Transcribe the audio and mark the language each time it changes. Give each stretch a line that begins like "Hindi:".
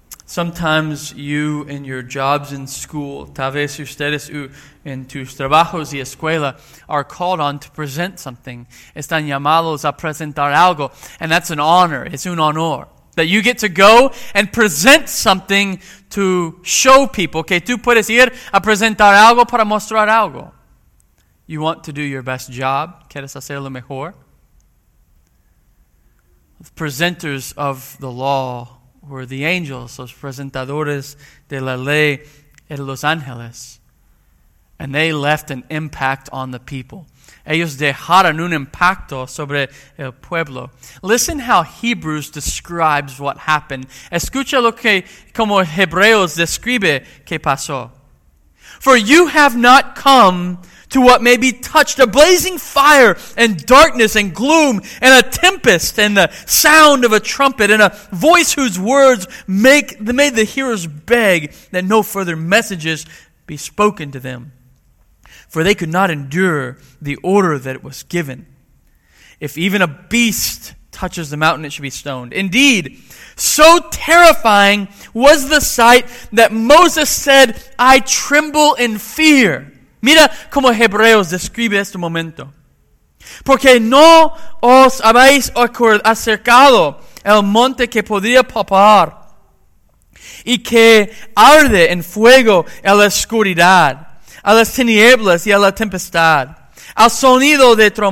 English: Sometimes you in your jobs in school,
Spanish: tal vez ustedes en tus trabajos y escuela,
English: are called on to present something.
Spanish: Están llamados a presentar algo.
English: And that's an honor. It's un honor. That you get to go and present something to show people.
Spanish: Que tú puedes ir a presentar algo para mostrar algo.
English: You want to do your best job.
Spanish: ¿Quieres hacer lo mejor?
English: The presenters of the law were the angels,
Spanish: los presentadores de la ley eran los ángeles.
English: And they left an impact on the people.
Spanish: Ellos dejaron un impacto sobre el pueblo.
English: Listen how Hebrews describes what happened.
Spanish: Escucha lo que como Hebreos describe que pasó.
English: For you have not come to what may be touched, a blazing fire and darkness and gloom and a tempest and the sound of a trumpet and a voice whose words made the hearers beg that no further messages be spoken to them. For they could not endure the order that it was given. If even a beast touches the mountain, it should be stoned. Indeed, so terrifying was the sight that Moses said, I tremble in fear.
Spanish: Mira cómo Hebreos describe este momento. Porque no os habéis acercado el monte que podría palpar y que arde en fuego en la oscuridad, a las tinieblas y a la tempestad, al sonido de